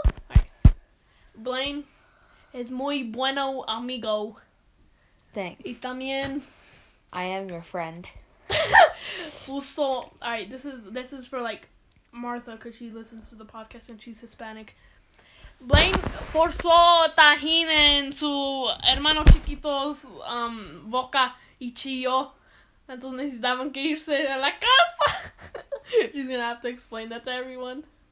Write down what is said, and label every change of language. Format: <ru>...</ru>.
<en>All right. Blaine is</en> <es>muy bueno amigo.</es> <en>Thanks.</en> <es>Y también...</es> <en>I am your friend.</en> <es>Uso...</es> <en>All right, this is for, like, Martha, because she listens to the podcast and she's Hispanic.</en> <es>Blaine forzó tajín en su hermano chiquito's boca y chilló. Entonces necesitaban que irse a la casa.</es> <en>She's gonna have to explain that to everyone.</en>